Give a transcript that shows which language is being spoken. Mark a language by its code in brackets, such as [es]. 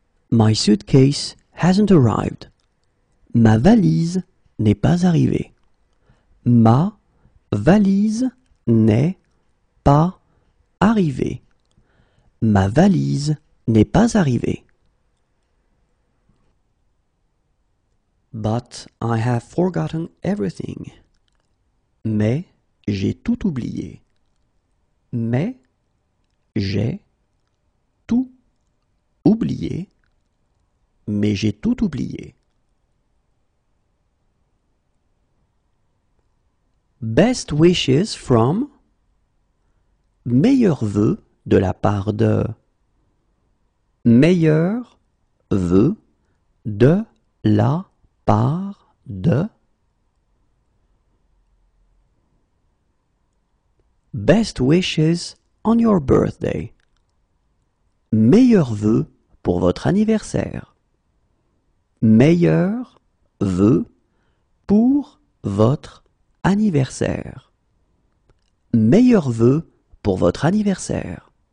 [en] My suitcase hasn't arrived. [fr] Ma valise n'est pas arrivée. Ma valise n'est pas arrivée. Ma valise n'est pas arrivée. [en] But I have forgotten everything. [fr] Mais j'ai tout oublié. Mais j'ai tout oublié. Mais j'ai tout oublié. [en] Best wishes from. [fr] Meilleurs vœux de la part de. Meilleurs vœux de la part de. [en] Best wishes on your birthday. [fr] Meilleurs vœux pour votre anniversaire. Meilleurs vœux pour votre anniversaire. Meilleurs vœux pour votre anniversaire.